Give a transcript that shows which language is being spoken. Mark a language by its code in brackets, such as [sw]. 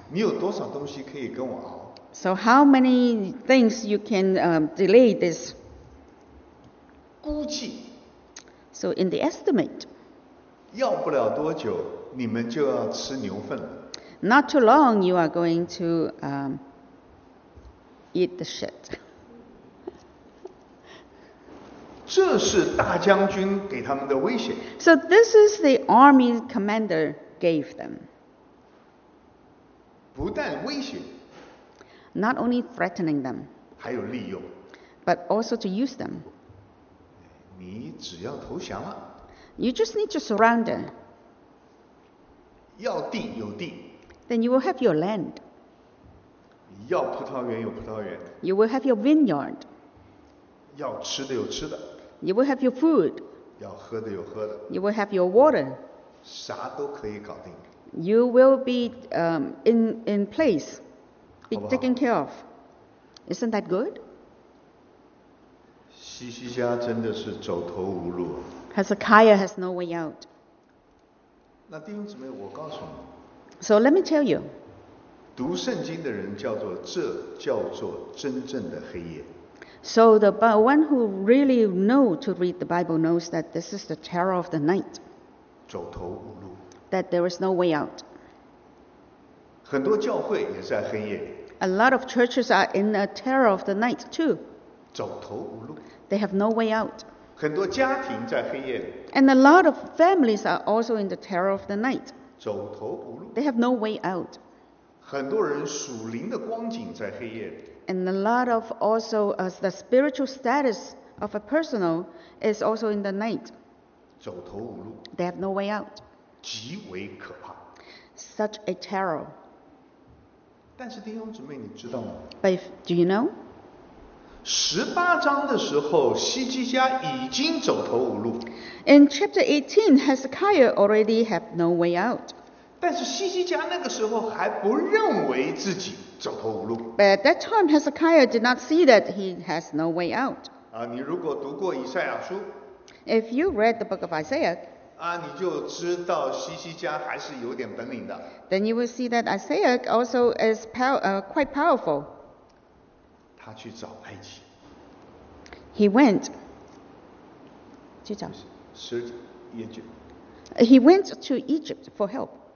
[zh] 你有多少东西可以跟我熬？ [en] So how many things you can delay this? [zh] 估计。 [en] So in the estimate. [zh] 要不了多久，你们就要吃牛粪了。 [en] Not too long, you are going to eat the shit. [zh] 这是大将军给他们的威胁。 [en] So this is the army commander gave them. [zh] 不但威胁。 [en] Not only threatening them, [zh] 还有利用, [en] but also to use them. [zh] 你只要投降了, [en] you just need to surrender. [zh] 要地有地, [en] then you will have your land. [zh] 要葡萄园有葡萄园, [en] you will have your vineyard. [zh] 要吃的有吃的, [en] you will have your food. [zh] 要喝的有喝的, [en] you will have your water. [zh] 啥都可以搞定, [en] you will be in place. Be taken care of. Isn't that good? [zh] 西西家真的是走投无路。 [en] Hezekiah has no way out. [zh] 那弟兄姊妹，我告诉你。 [en] So let me tell you. [zh] 读圣经的人叫做这叫做真正的黑夜。 [en] So the one who really know to read the Bible knows that this is the terror of the night. [zh] 走投无路。 [en] That there is no way out. [zh] 很多教会也在黑夜里。 [en] A lot of churches are in a terror of the night too. [zh] 走投无路。 [en] They have no way out. [zh] 很多家庭在黑夜里。 [en] And a lot of families are also in the terror of the night. [zh] 走投无路。 [en] They have no way out. [zh] 很多人属灵的光景在黑夜里。 [en] And a lot of also the spiritual status of a person is also in the night. [zh] 走投无路。 [en] They have no way out. [zh] 极为可怕。 [en] Such a terror. [zh] 但是弟兄姊妹，你知道吗 [en] ？But do you know？ [zh] 十八章的时候，西基家已经走投无路。 [en] In chapter 18, Hezekiah already had no way out. [zh] 但是西基家那个时候还不认为自己走投无路。 [en] But at that time, Hezekiah did not see that he has no way out. [zh] 啊，你如果读过以赛亚书 [en] ，If you read the book of Isaiah。 [zh] 啊，你就知道西西家还是有点本领的。 [en] Then you will see that Isaiah also is quite powerful. [zh] 他去找埃及。 [en] He went to [zh] 找是 [en] Egypt. He went to Egypt for help.